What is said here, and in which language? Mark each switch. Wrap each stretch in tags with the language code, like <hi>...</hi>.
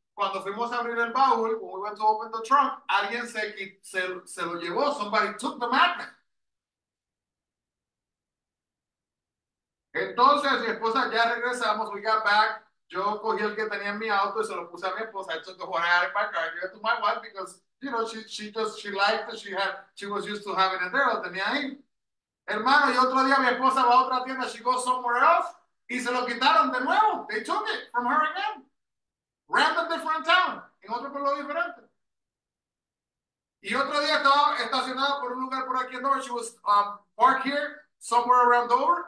<es>Cuando fuimos a abrir el baúl,</es> <en>when we went to open the trunk,</en> <es>alguien se lo llevó.</es> <en>Somebody took the magnet.</en> <es>Entonces, mi esposa, ya regresamos.</es> <en>We got back.</en> <es>Yo cogí el que tenía en mi auto y se lo puse a mi esposa.</es> <en>I took the one out of my car. I gave it to my wife because, you know, she liked it. She was used to having it there.</en> <es>Lo tenía ahí. Hermano, y otro día mi esposa va a otra tienda.</es> <en>She goes somewhere else.</en> <es>Y se lo quitaron de nuevo.</es> <en>They took it from her again. Random different town.</en> <es>En otro pueblo diferente. Y otro día estaba estacionado por un lugar por aquí en Dover.</es> <en>She was parked here, somewhere around Dover.</en>